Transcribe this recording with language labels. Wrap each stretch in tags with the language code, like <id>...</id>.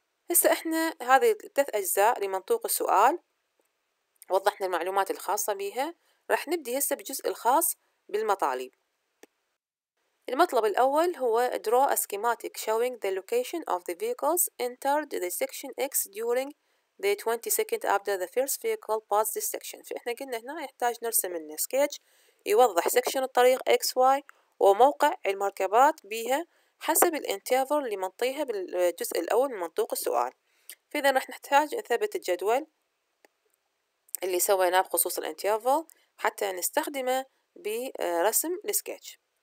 <ar>هسه احنا هذه 3 اجزاء لمنطوق السؤال وضحنا المعلومات الخاصة بها، راح نبدي هسه بجزء الخاص بالمطالب. المطلب الأول هو</ar> <en>draw a schematic showing the location of the vehicles entered the section X during the 20 second after the first vehicle passed this section.</en> <ar>فإحنا قلنا هنا يحتاج نرسم لنا سكتش يوضح سكشن الطريق XY وموقع المركبات بها حسب الانترفل اللي منطيها بالجزء الأول من منطوق السؤال. فإذا راح نحتاج نثبت الجدول اللي سويناه بخصوص الانترفل حتى نستخدمه برسم السكتش.</ar>